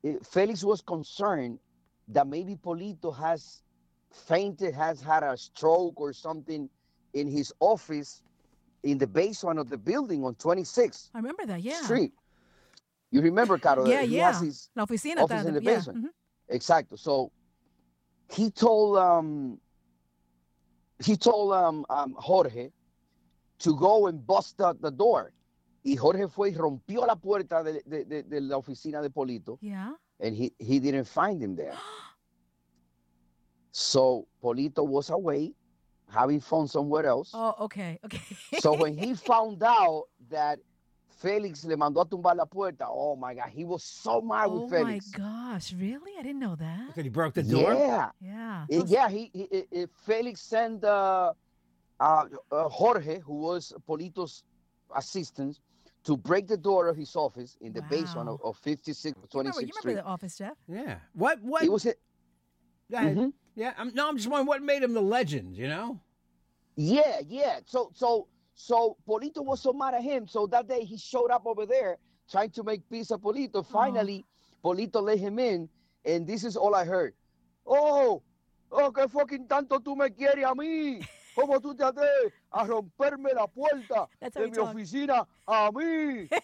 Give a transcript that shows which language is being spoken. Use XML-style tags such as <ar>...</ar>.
<en>Felix was concerned that maybe Polito has fainted, has had a stroke or something in his office in the basement of the building on 26th. I remember that, yeah. Street. You remember, Caro? Yeah, yeah. He has his office in the basement. Yeah. Mm-hmm. Exactly. So he told Jorge to go and bust out the door.</en> <es>Y Jorge fue y rompió la puerta de la oficina de Polito.</es> <en>Yeah. And he didn't find him there. So Polito was away having fun somewhere else. Oh, okay. So when he found out that Felix</en> <es>le mandó a tumbar la puerta.</es> <en>Oh, my God. He was so mad with Felix. Oh, my gosh. Really? I didn't know that. Because he broke the door? Yeah. Yeah. Felix sent Jorge, who was Polito's assistant, to break the door of his office in the basement of 26th Street. You remember the office, Jeff? Yeah. What? It was it. Mm-hmm. Yeah. I'm just wondering what made him the legend, you know? Yeah, yeah. So Polito was so mad at him. So that day he showed up over there trying to make peace with Polito. Finally, Polito let him in. And this is all I heard.</en> <es>Oh, que fucking tanto tú me quieres a mí. ¿Cómo tú te atreves a romperme la puerta de mi oficina a mí?</es>